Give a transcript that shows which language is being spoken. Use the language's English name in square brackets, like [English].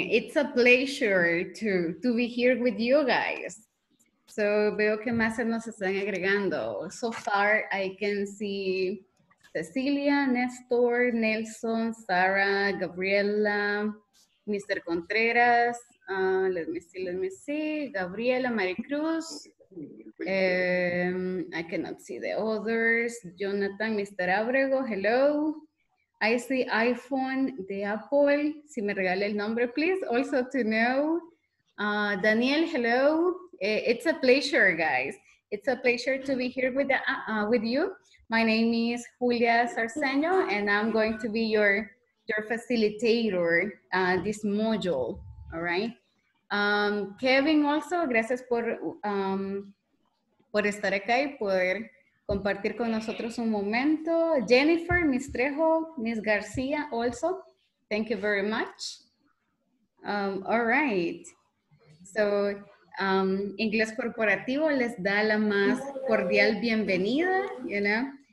[English] It's a pleasure to be here with you guys. [Spanish] So, veo que más se nos están agregando. [English] So far, I can see Cecilia, Néstor, Nelson, Sara, Gabriela, Mr. Contreras, let me see, Gabriela, Maricruz, I cannot see the others, Jonathan, Mr. Abrego, hello. I see iPhone de Apple, [Spanish] si me regala el nombre, [English] please, also to know. Daniel, hello. It's a pleasure, guys. It's a pleasure to be here with you. My name is Julia Sarceño, and I'm going to be your facilitator this module, all right? [Spanish] Kevin, [English] also, [Spanish] gracias por estar acá y poder compartir con nosotros un momento. [English] Jennifer, Ms. Trejo, Ms. Garcia, also. Thank you very much. All right. So, [Spanish] Ingles Corporativo les da la más cordial bienvenida, [English] you know.